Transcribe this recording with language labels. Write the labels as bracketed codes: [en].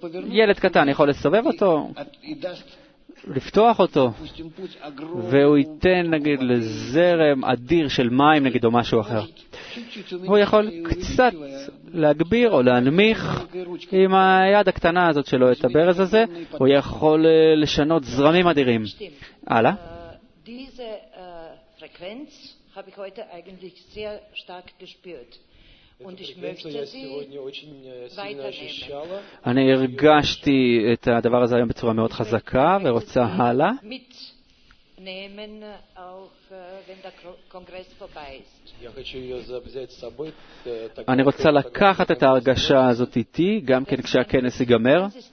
[he] ילד קטן יכול לסובב אותו, לפתוח אותו, והוא ייתן, נגיד, לזרם אדיר של מים, נגיד, או משהו אחר. הוא יכול קצת להגביר או להנמיך עם היד הקטנה הזאת שלו את הברז הזה, הוא יכול לשנות זרמים אדירים. הלאה. [de] Diese Frequenz habe ich heute eigentlich sehr stark gespürt und ich möchte sie weiternehmen. [he] אני הרגשתי את הדבר הזה היום בצורה מאוד חזקה ורוצה הלאה. [de] Mitnehmen auch wenn der Kongress vorbei ist. [ru] Я хочу её взять с собой. [he] אני רוצה לקחת את ההרגשה הזאת איתי גם כן כשהכנס ייגמר.